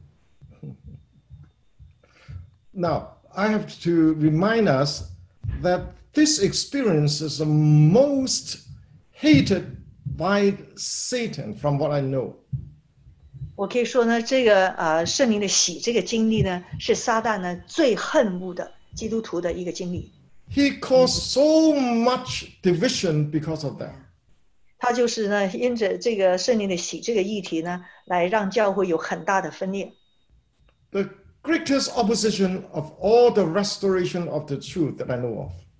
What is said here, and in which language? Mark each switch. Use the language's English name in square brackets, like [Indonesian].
[Chinese] 好，我等一下再分享。好，看，先听听其他人吗？给我再解释一下啊，再跟我说一下。我有点累了，我要可能先睡。嗯，你让孩子也早点睡吧。 [English] Now, I have to remind us that this experience is the most hated by Satan, from what I know. [Chinese] 我可以说呢，这个圣灵的洗这个经历呢，是撒旦呢最恨恶的基督徒的一个经历。 [English] He caused so much division because of that. [Chinese] 他就是呢，因着这个圣灵的洗这个议题呢，来让教会有很大的分裂。 [English] The greatest opposition of all the restoration of the truth that I know of.